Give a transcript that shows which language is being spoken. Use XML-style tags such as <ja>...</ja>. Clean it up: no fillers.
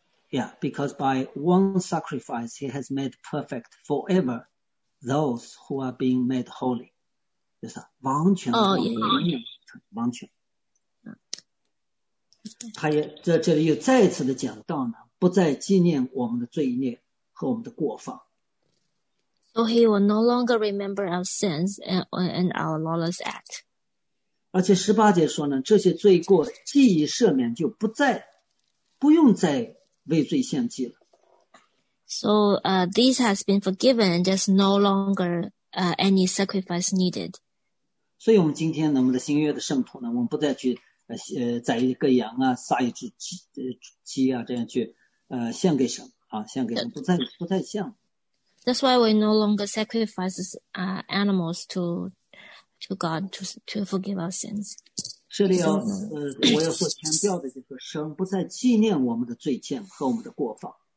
<en>Yeah, because by one sacrifice, he has made perfect forever. Those who are being made holy,</en> <zh>就是完全完全。他也在这里又再次的讲到呢，不再纪念我们的罪孽和我们的过犯。</zh> <en>So he will no longer remember our sins and our lawless act.</en> <zh>而且十八节说呢，这些罪过既已赦免，就不再不用再为罪献祭了。</zh> <en>So, this has been forgiven. There's no longer, any sacrifice needed.</en> <zh>所以我们今天我们的新约的圣徒呢，我们不再去宰一个羊啊，杀一只鸡啊，这样去献给神啊，献给神，不再献。</zh> <en>That's why we no longer sacrifice animals to God to forgive our sins.</en> <zh>这里要我要所强调的就是神不再纪念我们的罪愆和我们的过犯。</zh>